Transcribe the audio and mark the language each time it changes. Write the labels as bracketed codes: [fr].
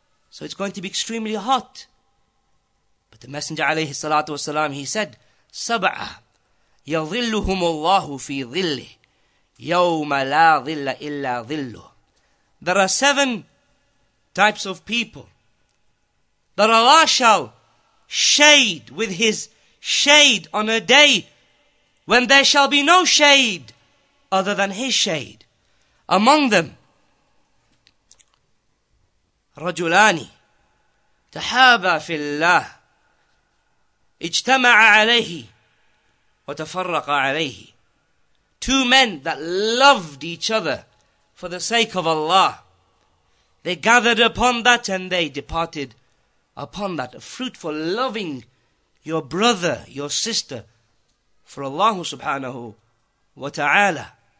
[en] So it's going to be extremely hot. But the Messenger, alayhi salatu wasalam, he said, [ar] سَبْعَ يَظِلُّهُمُ اللَّهُ فِي ظِلِّهِ يَوْمَ لَا ظِلَّ إِلَّا ظِلُّهُ. [en] There are seven types of people that Allah shall shade with His shade on a day when there shall be no shade other than His shade. Among them, [ar] رجلان تحابا في الله اجتمع عليه وتفرق عليه. [en] Two men that loved each other for the sake of Allah. They gathered upon that and they departed upon that. A fruitful loving your brother, your sister, for Allah subhanahu wa ta'ala.